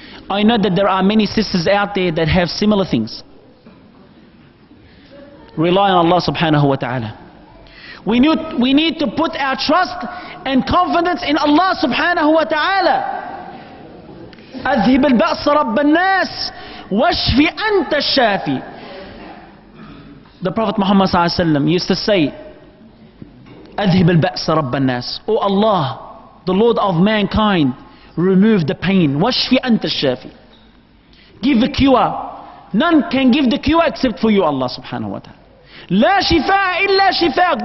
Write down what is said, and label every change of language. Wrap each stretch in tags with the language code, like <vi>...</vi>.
<en>I know that there are many sisters out there that have similar things. Rely on Allah subhanahu wa ta'ala. We need to put our trust and confidence in Allah subhanahu wa ta'ala.</en> <ar>أذهب البأس رب الناس واشفي أنت الشافي.</ar> <en>The Prophet Muhammad sallallahu alaihi wasallam used to say,</en> <ar>أذهب البأس رب الناس.</ar> <en>O Allah, the Lord of mankind, remove the pain.</en> <ar>واشفي أنت الشافي.</ar> <en>Give the cure. None can give the cure except for you, Allah subhanahu wa ta'ala.</en> <ar>لا شفاء إلا شفاءك.</ar>